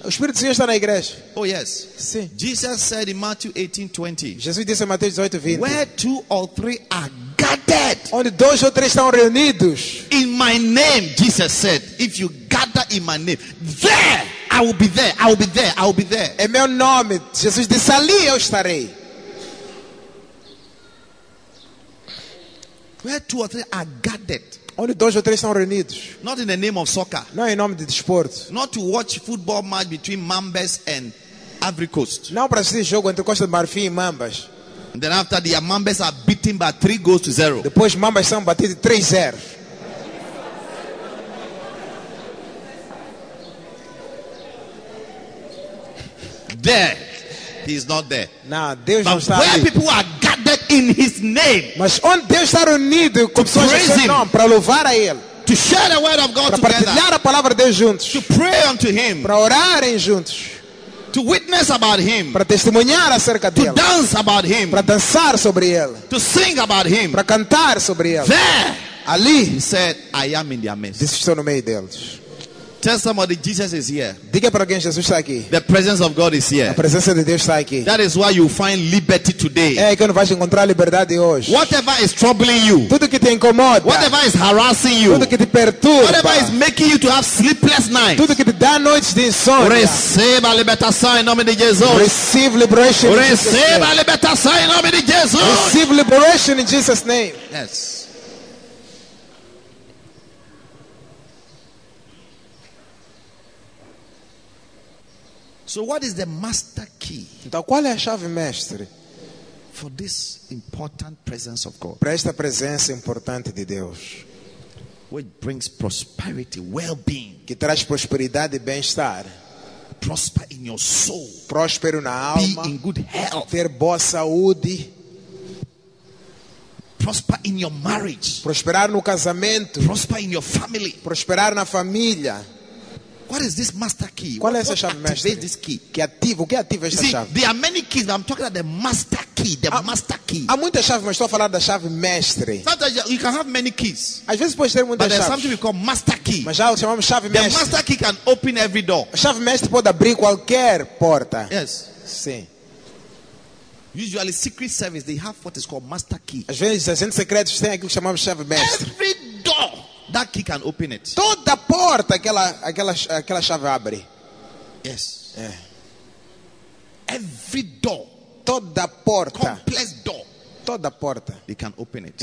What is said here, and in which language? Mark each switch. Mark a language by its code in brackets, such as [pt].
[pt] O espírito do Senhor está na igreja. [en] Oh yes. [pt] Sim. [en] Jesus said in Matthew 18:20. [pt] Jesus disse em Mateus 18:20. [en] Where two or three are gathered. [pt] Onde dois ou três estão reunidos. [en] In my name, Jesus said, if you gather in my name, there I will be there. I will be there. I will be there. [pt] Em meu nome, Jesus disse, ali eu estarei. [en] Where two or three are gathered. [pt] Onde dois ou três estão reunidos. [en] Not in the name of soccer. [pt] Não em nome de desporto. [en] Not to watch football match between Mambas and Ivory Coast. [pt] Não para assistir jogo entre Costa do Marfim e Mambas. [en] And then after the Mambas are beaten by 3-0. [pt] Depois Mambas são batidos 3-0. [en] There, he is not there. [pt] Não, Deus [en] but [pt] não está [en] where [pt] ali. [en] People are gathered in his name. [pt] Mas onde Deus está reunido com pessoas em seu nome para louvar a ele. [en] To share the word of God [pt] para partilhar a palavra de Deus juntos. [en] To pray unto him. [pt] Para orarem juntos. [en] To witness about him. [pt] Para testemunhar acerca dele. [en] To dance about him. [pt] Para dançar sobre ele. [en] To sing about him. [pt] Para cantar sobre ele. [en] There, [pt] ali, [en] he said, I am in their midst. [pt] Estou no meio deles. [en] Tell somebody Jesus is here. [pt] Diga para alguém, Jesus está aqui. [en] The presence of God is here. [pt] A presença de Deus está aqui. [en] That is why you find liberty today. [pt] É aí que você vai encontrar liberdade hoje. [en] Whatever is troubling you. [pt] Tudo que te incomoda. [en] Whatever is harassing you. [pt] Tudo que te perturba. [en] Whatever is making you to have sleepless nights. [pt] Tudo que te dá noites de insônia. Receba a libertação em nome de Jesus. [en] Receive liberation. [pt] Receba a libertação em nome de Jesus. [en] Receive liberation in Jesus' name. Yes. So what is the master key? [pt] Então qual é a chave mestre? [en] For this important presence of God. [pt] Para esta presença importante de Deus. [en] Which brings prosperity, well-being. [pt] Que traz prosperidade e bem-estar. [en] Prosper in your soul. [pt] Próspero na alma. [en] Be in good health. [pt] Ter boa saúde. [en] Prosper in your marriage. [pt] Prosperar no casamento. [en] Prosper in your family. [pt] Prosperar na família. [en] What is this master key? [pt] Qual é essa chave mestre? [en] This key? [pt] Que ativa? O que ativa esta chave? [en] There are many keys, but I'm talking about the master key, master key. [pt] Há muitas chaves, mas estou a falar da chave mestre. [en] Sometimes you can have many keys. [pt] Às vezes pode ter muitas chaves. [en] But there's something we call master key. [pt] Mas já o chamamos chave mestre. [en] The master key can open every door. [pt] A chave mestre pode abrir qualquer porta. [en] Yes. [pt] Sim. [en] Usually secret service they have what is called master key. [pt] Às vezes agentes secretos têm aquilo que chamamos chave mestre. [en] Every door. That key can open it. [pt] Toda porta aquela chave abre. [en] Yes. [pt] É. [en] Every door, [pt] toda porta, [en] complex door, [pt] toda porta, [en] he can open it.